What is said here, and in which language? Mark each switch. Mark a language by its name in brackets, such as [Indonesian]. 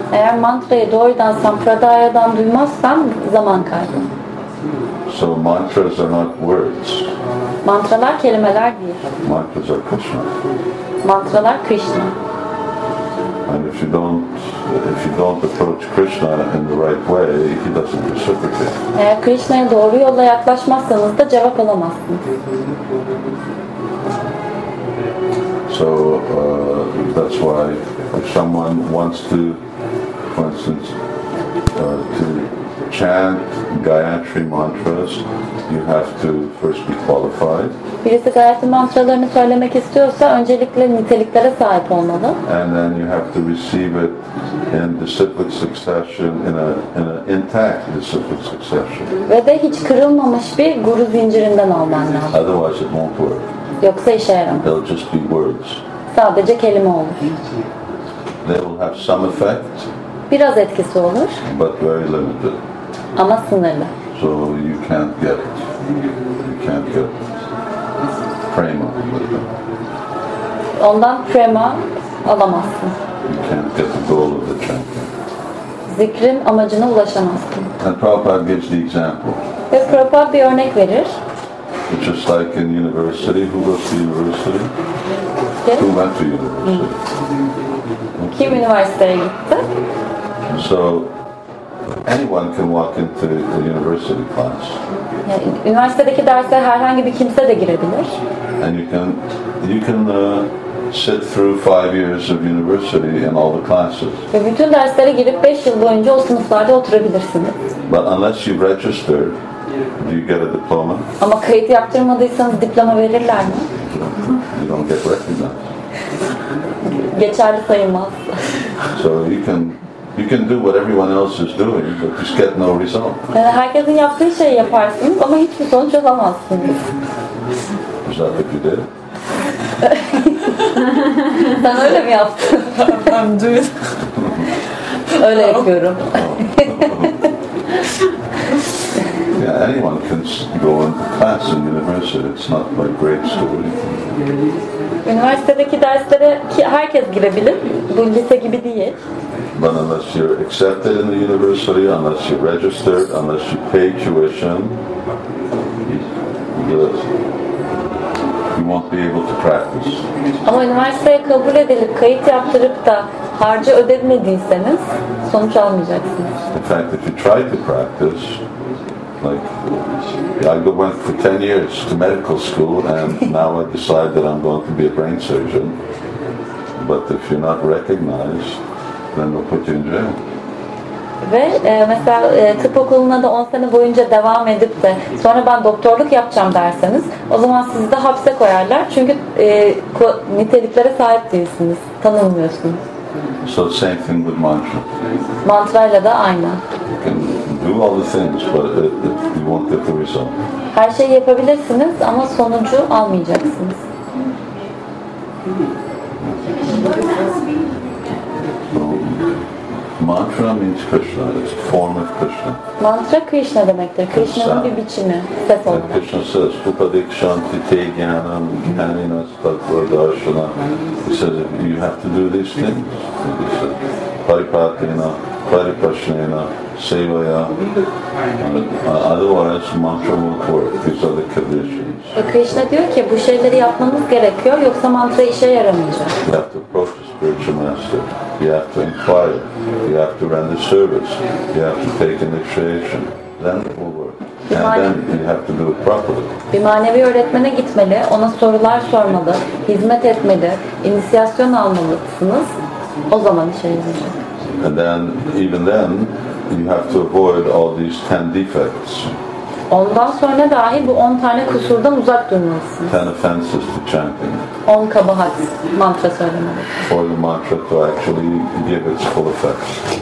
[Turkish] Eğer mantrayı doğrudan sampradaya'dan duymazsan zaman kaybı. [English] So mantras are not words. [Turkish] Mantralar kelimeler değil. [English] Mantras are Krishna. [Turkish] Mantralar Krishna. [English] And if you don't approach Krishna in the right way, he doesn't reciprocate. [Turkish] Eğer Krishna'ya doğru yolla yaklaşmazsanız da cevap alamazsınız. [English] So that's why if someone wants to, for instance, to chant Gayatri mantras, you have to first be qualified. [Turkish] Birisi Gayatri mantralarını söylemek istiyorsa öncelikle niteliklere sahip olmalı. [English] And then you have to receive it in disciplic succession, in an intact disciplic succession. [Turkish] Ve de hiç kırılmamış bir guru zincirinden alman lazım. [English] Otherwise it won't work. [Turkish] Yoksa işe yaramaz. [English] They'll just be words. [Turkish] Sadece kelime olur. [English] They will have some effect. [Turkish] Biraz etkisi olur. [English] But very limited. [Turkish] Ama sınırlı. [English] So you can't get it. You can't get prema. [Turkish] Ondan prema alamazsın. [English] You can't get the goal of the chanting. [Turkish] Zikrin amacına ulaşamazsın. [English] And Prabhupada gives the example. [Turkish] Ve Prabhupada bir örnek verir. [English] It's just like in university. Who goes to university? Yes. Who went to university? [Turkish] Hmm. Kim üniversiteye gitti? [English] So anyone can walk into the university class. [Turkish] Yani, üniversitedeki derse herhangi bir kimse de girebilir. [English] And you can sit through 5 years of university in all the classes. [Turkish] Ve bütün derslere girip 5 yıl boyunca o sınıflarda oturabilirsiniz. [English] But unless you register, do you get a diploma? [Turkish] Ama kayıt yaptırmadıysanız diploma verirler mi? [English] You don't get recognized. [Turkish] Geçerli sayılmaz. [English] So you can do what everyone else is doing, but just get no result. [Turkish] Yani herkesin yaptığı şeyi yaparsınız ama hiçbir sonuç alamazsınız. [English] Is that what you did? [Turkish] Sen öyle mi yaptın? [English] I'm doing. [Turkish] Öyle yapıyorum. [English] Yeah, anyone can go into class in university. It's not like grade school. [Turkish] Üniversitedeki derslere herkes girebilir. Bu lise gibi değil. [English] But unless you're accepted in the university, unless you're registered, unless you pay tuition, you won't be able to practice. [Turkish] Ama üniversiteye kabul edilip kayıt yaptırıp da harcı ödemediyseniz sonuç almayacaksınız. [English] In fact, if you try to practice, like I went for 10 years to medical school and now I decide that I'm going to be a brain surgeon, but if you're not recognized, then they'll put you in jail. [Turkish] Ve mesela tıp okuluna da 10 sene boyunca devam edip de sonra ben doktorluk yapacağım derseniz o zaman sizi de hapse koyarlar çünkü niteliklere sahip değilsiniz, tanınmıyorsunuz. [English] So same thing with mantra. [Turkish] Mantrayla da aynı. [English] You can do all the things, but you won't get the result. [Turkish] Her şeyi yapabilirsiniz ama sonucu almayacaksınız. [English] Mantra means Krishna. It's a form of Krishna. [Turkish] Mantra Krishna demektir. Krishna'nın bir biçimi. Ses olmak. [English] Krishna says, [Sanskrit] "Upadik shanti te jnanam jnanina stakvar darshana." [English] He says, you have to do these things. And he says, [Sanskrit] paripatena, pariprasnena, sevaya. [English] Otherwise, mantra won't work. These are the conditions. [Turkish] Krishna diyor ki, bu şeyleri yapmamız gerekiyor, yoksa mantra işe yaramayacak. [English] You have to approach the spiritual master. You have to inquire. You have to render service. You have to take initiation. Then it will work. And then you have to do it properly. [Turkish] Bir manevi öğretmene gitmeli, ona sorular sormalı, hizmet etmeli, inisiyasyon almalısınız. O zaman işe yarayacak. [English] And then, even then, you have to avoid all these 10 defects. [Turkish] Ondan sonra dahi bu 10 tane kusurdan uzak durmalısınız. [English] 10 offenses to chanting. [Turkish] 10 kabahat mantra söylemeli. [English] For the mantra to actually give its full effect.